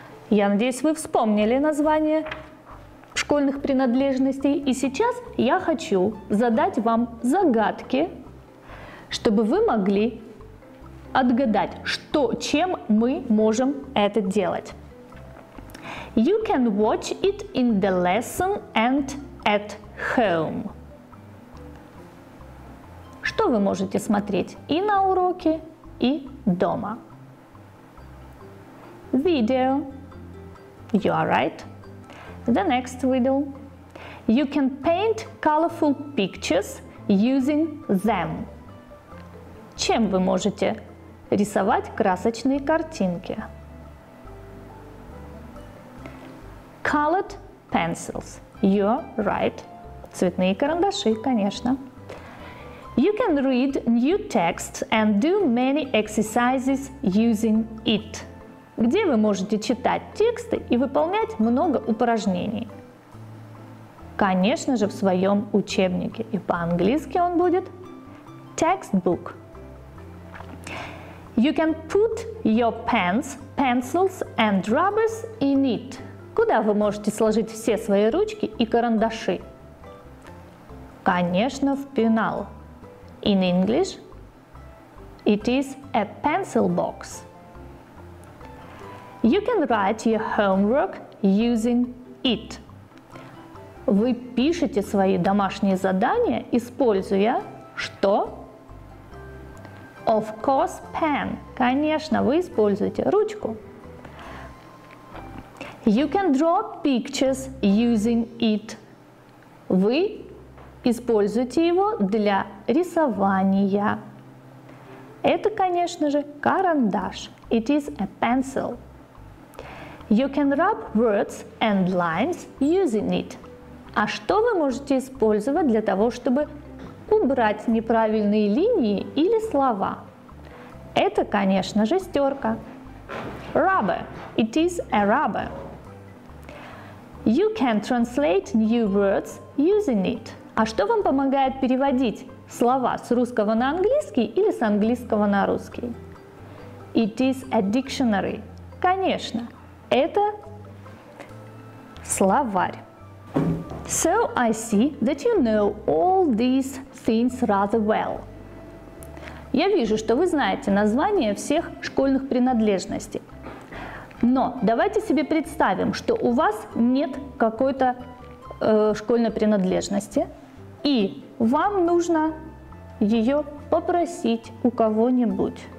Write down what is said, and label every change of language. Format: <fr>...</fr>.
<ru>Я надеюсь, вы вспомнили название школьных принадлежностей. И сейчас я хочу задать вам загадки, чтобы вы могли отгадать, что, чем мы можем это делать.</ru> <en>You can watch it in the lesson and at home.</en> <ru>Что вы можете смотреть и на уроке, и дома?</ru> <en>Video. You are right. The next video. You can paint colorful pictures using them.</en> <ru>Чем вы можете рисовать красочные картинки?</ru> <en>Colored pencils. You're right.</en> <ru>Цветные карандаши, конечно.</ru> <en>You can read new text and do many exercises using it.</en> <ru>Где вы можете читать тексты и выполнять много упражнений? Конечно же, в своем учебнике. И по-английски он будет textbook.</ru> <en>You can put your pens, pencils and rubbers in it.</en> <ru>Куда вы можете сложить все свои ручки и карандаши? Конечно, в пенал.</ru> <en>In English, it is a pencil box. You can write your homework using it.</en> <ru>Вы пишете свои домашние задания, используя что?</ru> <en>Of course, pen.</en> <ru>Конечно, вы используете ручку.</ru> <en>You can draw pictures using it.</en> <ru>Вы используете его для рисования. Это, конечно же, карандаш.</ru> <en>It is a pencil. You can rub words and lines using it.</en> <ru>А что вы можете использовать для того, чтобы убрать неправильные линии или слова? Это, конечно же, стерка. Rubber.</ru> <en>It is a rubber. You can translate new words using it.</en> <ru>А что вам помогает переводить слова с русского на английский или с английского на русский?</ru> <en>It is a dictionary.</en> <ru>Конечно, это словарь.</ru> <en>So I see that you know all these things rather well.</en> <ru>Я вижу, что вы знаете название всех школьных принадлежностей. Но давайте себе представим, что у вас нет какой-то школьной принадлежности, и вам нужно ее попросить у кого-нибудь.</ru>